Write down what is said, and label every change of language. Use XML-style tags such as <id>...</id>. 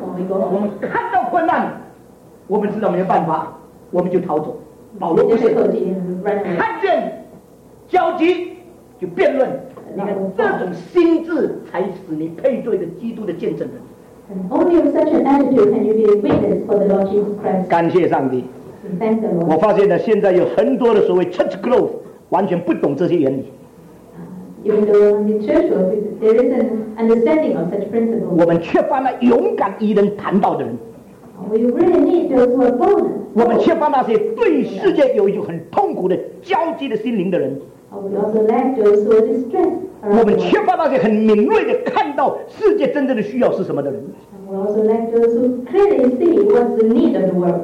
<zh>我们看到困难，我们知道没有办法，我们就逃走。保罗不是看见焦急就辩论，你看这种心智才使你配对的基督的见证人。</zh> <en>Only with such an attitude can you be a witness for the Lord Jesus Christ.</en> <zh>感谢上帝。我发现了现在有很多的所谓 church growth 完全不懂这些原理。</zh> <en>Even though in church there is an understanding of such principles.</en> <zh>我们缺乏那勇敢与人谈道的人。</zh> <en>We really need those who are bold.</en> <zh>我们缺乏那些对世界有一种很痛苦的焦急的心灵的人。</zh> <en>We also lack those who are distressed.</en> <zh>我们缺乏那些很敏锐的看到世界真正的需要是什么的人。</zh> <en>We also lack those who clearly see what's the need of the world.</en>